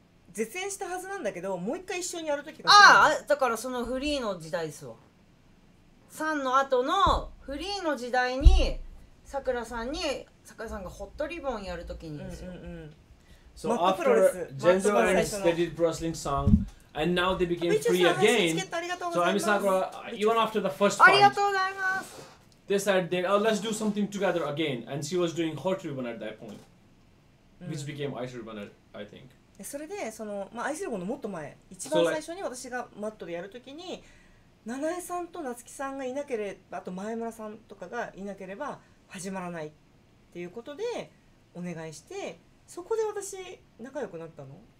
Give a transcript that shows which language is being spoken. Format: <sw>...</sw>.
<ja>絶縁したはずなんだけど、もう一回一緒にやるときが、だからそのフリーの時代ですわ。サンの後のフリーの時代に、さくらさんに、さくらさんがホットリボンやるときにですよ。</ja> <en>So after Zenjo ends, they did wrestling song, and now they became free again. So Ami Sakura, even after the first fight, they said, they, oh, let's do something together again. And she was doing hot ribbon at that point, which became ice ribbon, I think.</en> <ja>それでそのまあアイスリボンのもっと前、一番最初に私がマットでやるときに、七重さんと夏希さんがいなければ、あと前村さんとかがいなければ始まらないっていうことでお願いして、そこで私仲良くなったの。</ja>